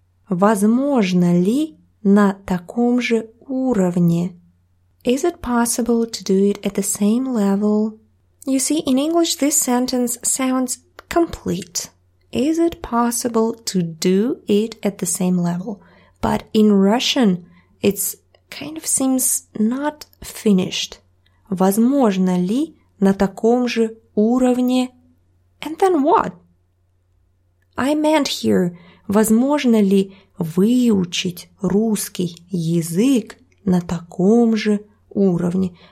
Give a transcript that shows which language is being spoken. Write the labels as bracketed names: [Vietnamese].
[Russian] Возможно ли на таком же уровне? [English] Is it possible to do it at the same level? You see, in English this sentence sounds complete. Is it possible to do it at the same level? But in Russian it's kind of seems not finished. [Russian] Возможно ли на таком же уровне? [English] And then what? I meant here, [Russian] возможно ли выучить русский язык на таком же уровне?